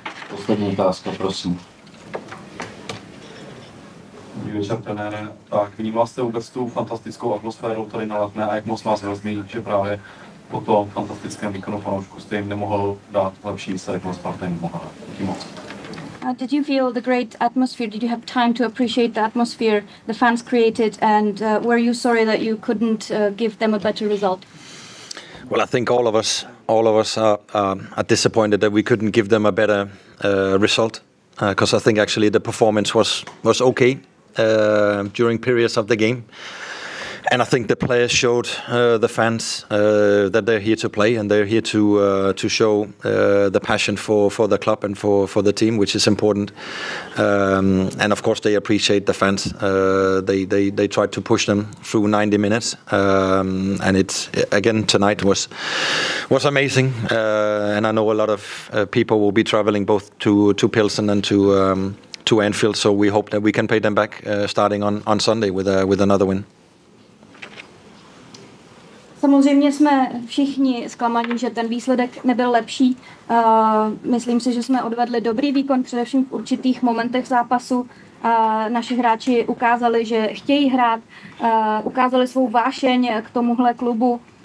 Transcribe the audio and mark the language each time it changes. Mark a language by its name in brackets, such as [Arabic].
[Czech] Poslední otázka, prosím. Tak vnímal jste vůbec tu fantastickou atmosféru tady na Letné a jak moc vás rozmění, že právě po tom fantastickém výkonu fanoušku jste jim nemohl dát lepší výsledek na Spartě mohla. [English] Did you feel the great atmosphere? Did you have time to appreciate the atmosphere the fans created, and were you sorry that you couldn't give them a better result? Well, I think all of us are disappointed that we couldn't give them a better result, because I think actually the performance was okay. During periods of the game, And I think the players showed the fans that they're here to play, and they're here to show the passion for the club and for the team, which is important. And of course, they appreciate the fans. They tried to push them through 90 minutes, and it's again tonight was amazing. And I know a lot of people will be traveling both to Pilsen and to Anfield, so we hope that we can pay them back starting on Sunday with another win. [Czech] Samozřejmě jsme všichni zklamaní, že ten výsledek nebyl lepší. Myslím si, že jsme odvedli dobrý výkon, především v určitých momentech zápasu. Naši hráči ukázali, že chtějí hrát, ukázali svou vášeň k tomuhle klubu.